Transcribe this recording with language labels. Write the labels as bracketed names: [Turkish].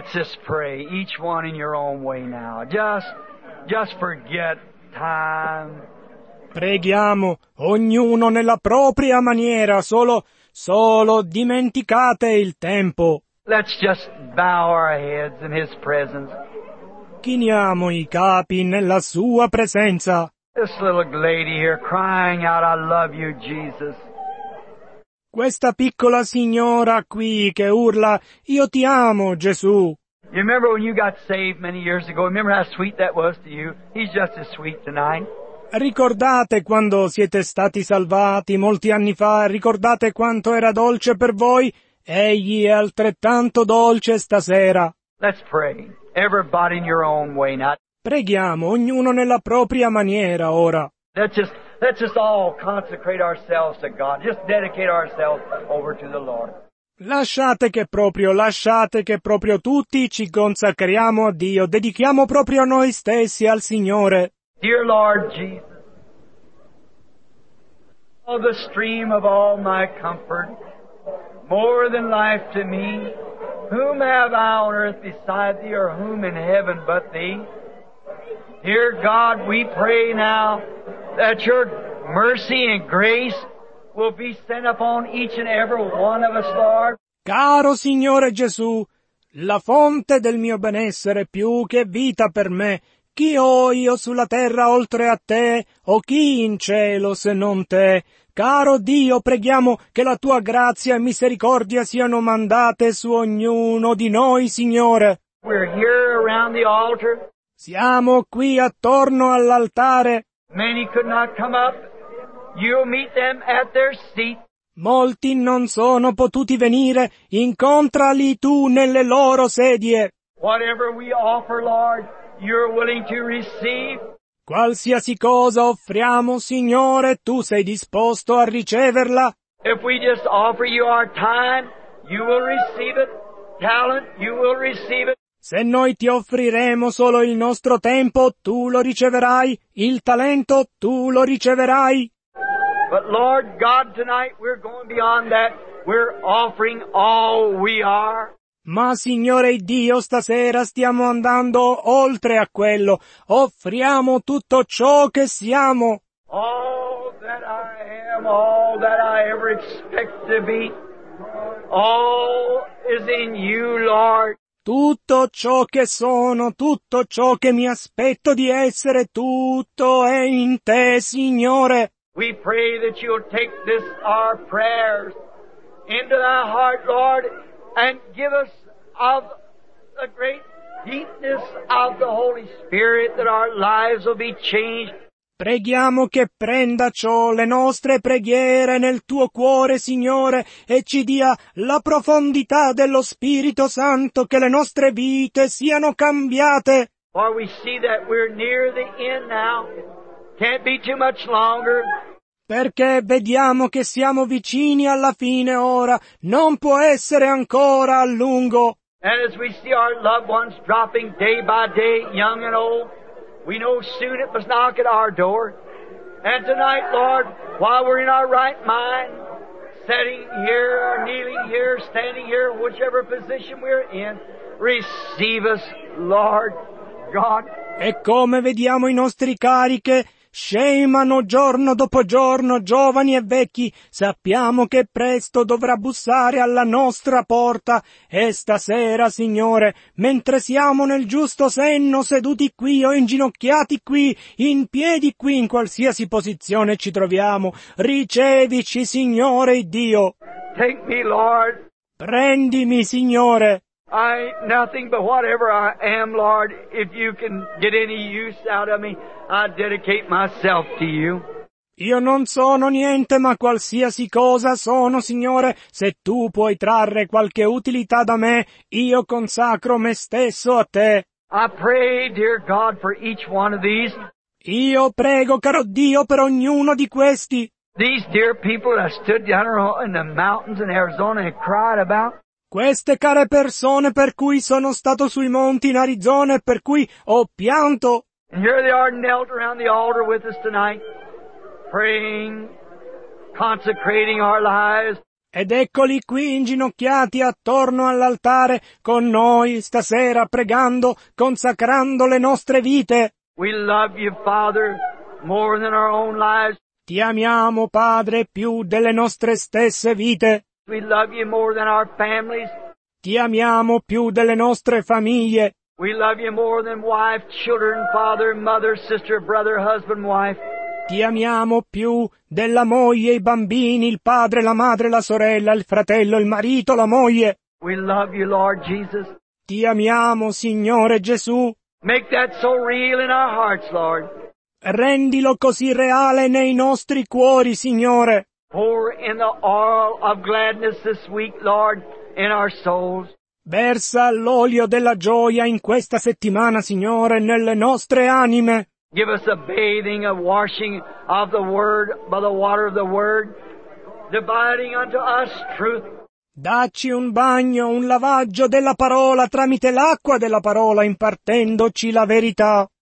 [English] Let's just pray, each one in your own way now. Just forget time. [Italian] Preghiamo, ognuno nella propria maniera, solo dimenticate il tempo. [English] Let's just bow our heads in his presence. [Italian] Chiniamo i capi nella sua presenza. [English] This little lady here crying out, I love you, Jesus. [Italian] Questa piccola signora qui che urla, io ti amo, Gesù. [English] You remember when you got saved many years ago? Remember how sweet that was to you? He's just as sweet tonight. [Italian] Ricordate quando siete stati salvati molti anni fa? Ricordate quanto era dolce per voi? Egli è altrettanto dolce stasera. [English] Let's pray. Everybody in your own way now. [Italian] Preghiamo, ognuno nella propria maniera ora. [English] Let's just all consecrate ourselves to God. Just dedicate ourselves over to the Lord. [Italian] Lasciate che proprio tutti ci consacriamo a Dio. Dedichiamo proprio noi stessi al Signore. [English] Dear Lord Jesus, oh, the stream of all my comfort, more than life to me, whom have I on earth beside thee, or whom in heaven but thee? Dear God, we pray now that your mercy and grace will be sent upon each and every one of us, Lord. [Italian] Caro Signore Gesù, la fonte del mio benessere più che vita per me, chi ho io sulla terra oltre a te, o chi in cielo se non te? Caro Dio, preghiamo che la tua grazia e misericordia siano mandate su ognuno di noi, Signore. [English] We're here around the altar. [Italian] Siamo qui attorno all'altare. [English] Many could not come up. You meet them at their seat. [Italian] Molti non sono potuti venire. Incontrali tu nelle loro sedie. [English] Whatever we offer, Lord, you're willing to receive. [Italian] Qualsiasi cosa offriamo, Signore, tu sei disposto a riceverla. [English] If we just offer you our time, you will receive it. Talent, you will receive it. [Italian] Se noi ti offriremo solo il nostro tempo, tu lo riceverai. Il talento, tu lo riceverai. [English] But Lord God, tonight we're going beyond that. We're offering all we are. [Italian] Ma Signore Dio, stasera stiamo andando oltre a quello. Offriamo tutto ciò che siamo. [English] All that I am, all that I ever expect to be, all is in you, Lord. [Italian] Tutto ciò che sono, tutto ciò che mi aspetto di essere, tutto è in te, Signore. [English] We pray that you'll take this, our prayers, into thy heart, Lord, and give us of the great deepness of the Holy Spirit that our lives will be changed. [Italian] Preghiamo che prenda ciò, le nostre preghiere nel tuo cuore, Signore, e ci dia la profondità dello Spirito Santo, che le nostre vite siano cambiate. [English] For we see that we're near the end now. Can't be too much longer. [Italian] Perché vediamo che siamo vicini alla fine ora, non può essere ancora a lungo. [English] And as we see our loved ones dropping day by day, young and old, we know soon it must knock at our door. And tonight, Lord, while we're in our right mind, sitting here, or kneeling here, standing here, whichever position we're in, receive us, Lord God. [Italian] E come vediamo i nostri cari che scemano giorno dopo giorno, giovani e vecchi, sappiamo che presto dovrà bussare alla nostra porta. E stasera, Signore, mentre siamo nel giusto senno, seduti qui o inginocchiati qui, in piedi qui, in qualsiasi posizione ci troviamo, ricevici, Signore Dio. [English] Take me, Lord. [Italian] Prendimi, Signore. [English] I nothing but whatever I am, Lord, if you can get any use out of me, I dedicate myself to you. [Italian] Io non sono niente, ma qualsiasi cosa sono, Signore, se tu puoi trarre qualche utilità da me, io consacro me stesso a te. [English] I pray, dear God, for each one of these. [Italian] Io prego, caro Dio, per ognuno di questi. [English] These dear people that stood down in the mountains in Arizona and cried about. [Italian] Queste care persone per cui sono stato sui monti in Arizona e per cui ho pianto. [English] And here they are knelt around the altar with us tonight, praying, consecrating our lives. [Italian] Ed eccoli qui inginocchiati attorno all'altare con noi stasera pregando, consacrando le nostre vite. [English] We love you, Father, more than our own lives. [Italian] Ti amiamo, Padre, più delle nostre stesse vite. [English] We love you more than our families. [Italian] Ti amiamo più delle nostre famiglie. [English] We love you more than wife, children, father, mother, sister, brother, husband, wife. [Italian] Ti amiamo più della moglie, i bambini, il padre, la madre, la sorella, il fratello, il marito, la moglie. [English] We love you, Lord Jesus. [Italian] Ti amiamo, Signore Gesù. [English] Make that so real in our hearts, Lord. [Italian] Rendilo così reale nei nostri cuori, Signore. [English] Pour in the oil of gladness this week, Lord, in our souls. [Italian] Versa l'olio della gioia in questa settimana, Signore, nelle nostre anime. [English] Give us a bathing, a washing of the Word by the water of the Word, dividing unto us truth. [Italian] Dacci un bagno, un lavaggio della parola tramite l'acqua della parola, impartendoci la verità.